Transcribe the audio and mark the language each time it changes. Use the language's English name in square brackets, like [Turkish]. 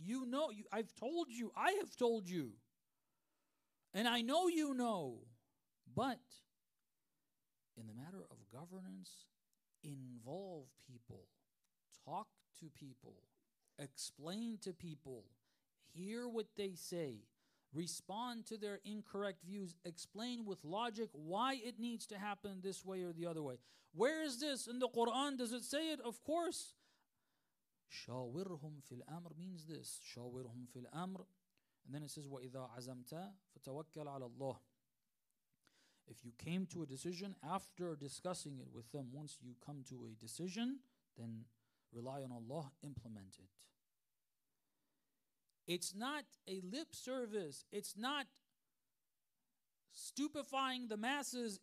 [English] You know, I've told you, I have told you. And I know you know, but in the matter of governance, involve people, talk to people, explain to people, hear what they say, respond to their incorrect views, explain with logic why it needs to happen this way or the other way. Where is this in the Quran? Does it say it? Of course. [Arabic] Shawirhum fil amr [English] means this. [Arabic] Shawirhum fil amr. [English] And then it says, [Arabic] وَإِذَا عَزَمْتَ فَتَوَكَّلْ عَلَى اللَّهِ. [English] If you came to a decision, after discussing it with them, once you come to a decision, then rely on Allah, implement it. It's not a lip service. It's not stupefying the masses.